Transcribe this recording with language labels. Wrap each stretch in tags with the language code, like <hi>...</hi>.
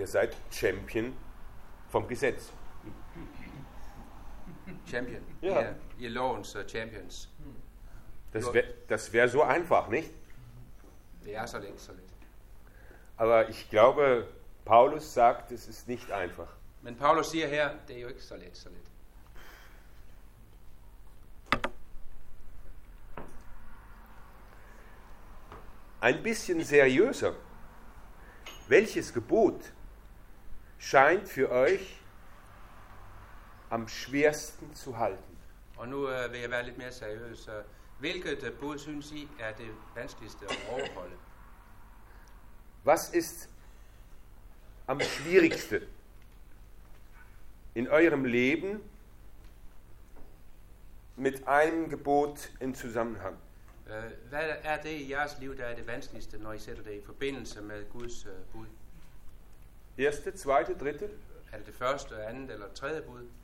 <de>Ihr seid Champion vom Gesetz. Champion. Ja. Ihr Lowens Champions. Das wär so einfach, nicht?</de> <da>Ja, so lit, so lit.</da> <de>Aber ich glaube, Paulus sagt, es ist nicht einfach.</de> <da>Men Paulus siger her, det er jo ikke så let, så let.</da> <de>Ein bisschen seriöser. Welches Gebot scheint für euch am schwersten zu halten?</de> <da>Und nu vil jeg være lidt mere seriøs. Hvilket bud synes I er det vanskeligste at overholde?</da> <de>Was ist am schwierigsten in eurem Leben mit einem Gebot im Zusammenhang?</de> <da>Hvad er det i jeres liv, der er det vanskeligste, når I sætter det i forbindelse med Guds bud?</da> <de>Erste, zweite, dritte?</de> <da>Er det første, andet eller tredje bud?</da>